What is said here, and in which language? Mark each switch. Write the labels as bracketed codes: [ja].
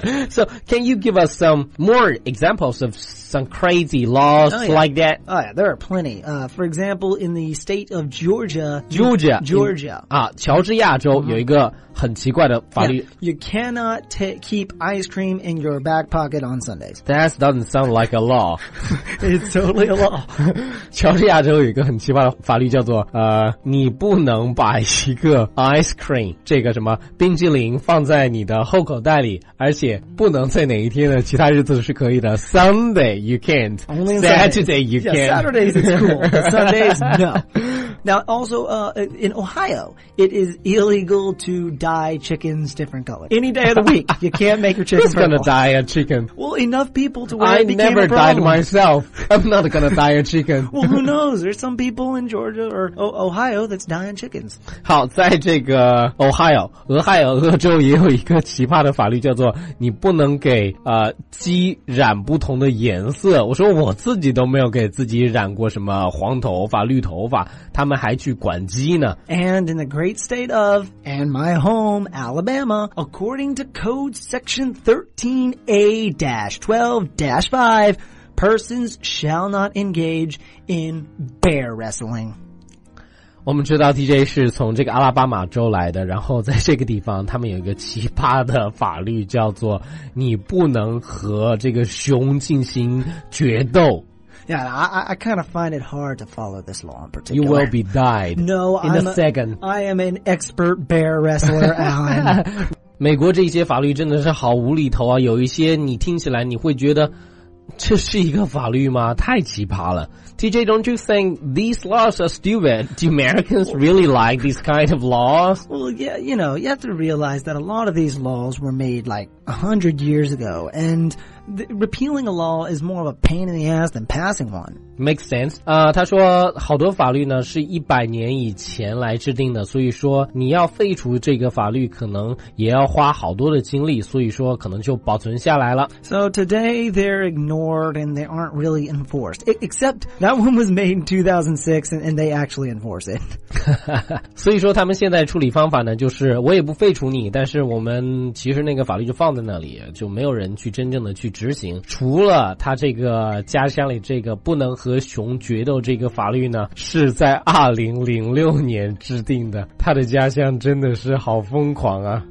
[en] So, can you give us some more examples of some crazy laws like that? Oh yeah, there are plenty. For example, in the state of Georgia. Georgia. [zh] 乔治亚州有一个很奇怪的法律。 [en] Yeah, you cannot keep ice cream in your back pocket on Sundays. That doesn't sound like a law. It's totally a law. [zh] 乔治亚州有一个很奇葩的法律叫做你不能把一个 ice cream, 这个什么冰激凌放在你的后口袋里，而且不能在哪一天的其他日子是可以的。 [en] Sunday, you can't. Only Saturday. Saturday, you can't. Yeah, Saturdays, it's cool. Sundays, no. Now, also, in Ohio, it is illegal to dye chickens different colors. Any day of the week, you can't make your chicken purple. Who's gonna dye a chicken? Well, enough people to where it became a problem. I never dyed myself. I'm not gonna dye a chicken. Well, who knows? There's some people in Georgia or Ohio that's dyeing chickens. [zh] 好，在这个 Ohio, 俄亥俄州也有一个奇葩的法律叫做你不能给鸡染不同的颜色。我说我自己都没有给自己染过什么黄头发、绿头发。他们还去管鸡呢。 [en] And in the great state of, and my home, Alabama, according to code section 13A-12-5, persons shall not engage in bear wrestling. [zh] 我们知道 DJ 是从这个阿拉巴马州来的，然后在这个地方他们有一个奇葩的法律，叫做你不能和这个熊进行决斗。 [en] Yeah, I kind of find it hard to follow this law in particular. You will be died. No, in a second. I am an expert bear wrestler, Alan. [zh] 美国这些法律真的是好无厘头啊，有一些你听起来你会觉得这是一个法律吗？太奇葩了。 [en] TJ, don't you think these laws are stupid? Do Americans really like these kind of laws? Well, yeah, you know, you have to realize that a lot of these laws were made like 100 years ago, and repealing a law is more of a pain in the ass than passing one. Makes sense. [zh] 他说好多法律呢是100年以前来制定的，所以说你要废除这个法律可能也要花好多的精力，所以说可能就保存下来了。 [en] So today they're ignored and they aren't really enforced. Except that one was made in 2006 and they actually enforce it. [zh] 所以说他们现在处理方法呢就是我也不废除你，但是我们其实那个法律就放在那里，就没有人去真正的去执行。除了他这个家乡里这个不能和熊决斗这个法律呢是在2006年制定的，他的家乡真的是好疯狂啊。